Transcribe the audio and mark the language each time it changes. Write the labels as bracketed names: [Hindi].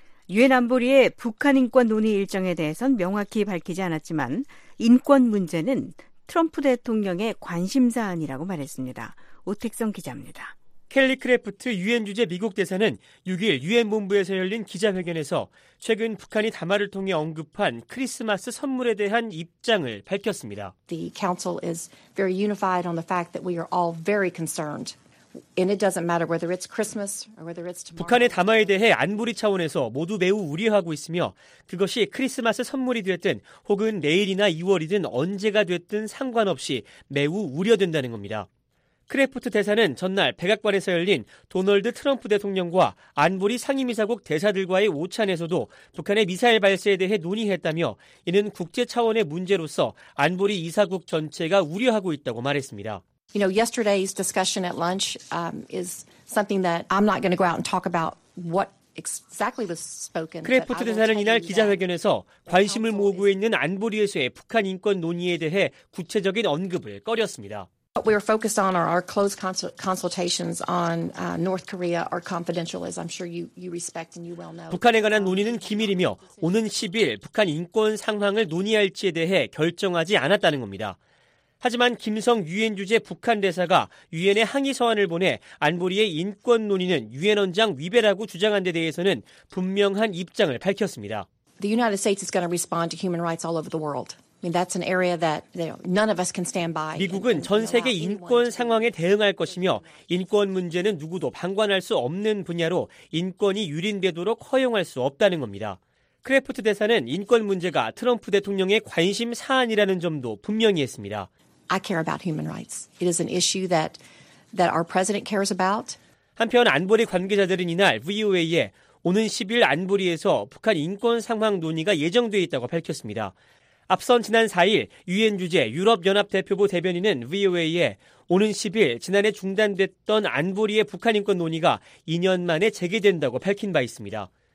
[Korean] 유엔 안보리의 북한 인권 논의 일정에 대해서는 명확히 밝히지 않았지만 인권 문제는 트럼프 대통령의 관심 사안이라고 말했습니다. 오택성 기자입니다. 켈리 크래프트 유엔 주재 미국 대사는 6일 유엔 본부에서 열린 기자회견에서 최근 북한이 담화를 통해 언급한 크리스마스 선물에 대한 입장을 밝혔습니다. [English] The council is very unified on the fact that we are all very concerned. And it doesn't matter whether it's Christmas or whether it's tomorrow. [Korean] 북한의 담화에 대해 안보리 차원에서 모두 매우 우려하고 있으며 그것이 크리스마스 선물이 됐든 혹은 내일이나 2월이든 언제가 됐든 상관없이 매우 우려된다는 겁니다. 크래프트 대사는 전날 백악관에서 열린 도널드 트럼프 대통령과 안보리 상임이사국 대사들과의 오찬에서도 북한의 미사일 발사에 대해 논의했다며 이는 국제 차원의 문제로서 안보리 이사국 전체가 우려하고 있다고 말했습니다. [English] You know, yesterday's discussion at lunch is something that I'm not going to go out and talk about what exactly was spoken. [Korean] 크래프트 대사는 이날 기자회견에서 관심을 모으고 있는 안보리에서의 북한 인권 논의에 대해 구체적인 언급을 꺼렸습니다. [English] What we're focused on are our close consultations on North Korea are confidential, as I'm sure you respect and you well know. [Korean] 북한에 관한 논의는 기밀이며 오는 10일 북한 인권 상황을 논의할지에 대해 결정하지 않았다는 겁니다. 하지만 김성 유엔 주재 북한 대사가 유엔에 항의 서한을 보내 안보리의 인권 논의는 유엔 헌장 위배라고 주장한 데 대해서는 분명한 입장을 밝혔습니다. [English] The United States is going to respond to human rights all over the world. I mean that's an area that none of us can stand by. [Korean] 미국은 전 세계 인권 상황에 대응할 것이며 인권 문제는 누구도 방관할 수 없는 분야로 인권이 유린되도록 허용할 수 없다는 겁니다. 크래프트 대사는 인권 문제가 트럼프 대통령의 관심 사안이라는 점도 분명히 했습니다. [English] I care about human rights. It is an issue that our president cares about. [Korean] 한편 안보리 관계자들은 이날 VOA에 오는 10일 안보리에서 북한 인권 상황 논의가 예정돼 있다고 밝혔습니다. 앞선 지난 4일 유엔 주재 유럽연합대표부 대변인은 VOA에 오는 10일 지난해 중단됐던 안보리의 북한 인권 논의가 2년 만에 재개된다고 밝힌 바 있습니다.